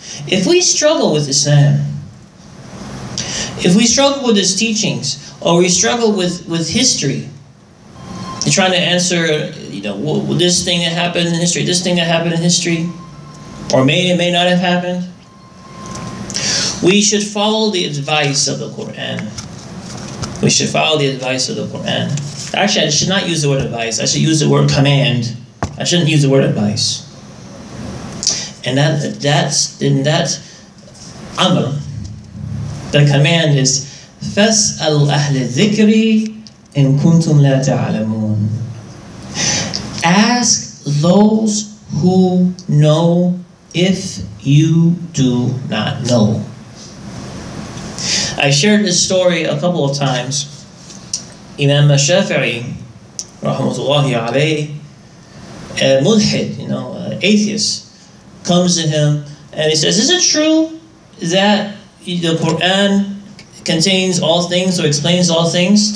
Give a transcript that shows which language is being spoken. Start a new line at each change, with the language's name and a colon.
English: If we struggle with Islam, if we struggle with its teachings, or we struggle with history, trying to answer, you know, this thing that happened in history, this thing that happened in history, or may not have happened, we should follow the advice of the Quran. We should follow the advice of the Quran. Actually, I should not use the word advice. I should use the word command. I shouldn't use the word advice. And that amr, the command is,
Arabic: فَاسْأَلْ أَهْلِ الذِّكْرِ إِن كُنْتُمْ لَا تَعْلَمُونَ.
English: Ask those who know if you do not know. I shared this story a couple of times. Imam Shafi'i, rahmatullahi alayh, a mulhid, you know, an atheist, comes to him and he says, is it true that the Quran contains all things or explains all things?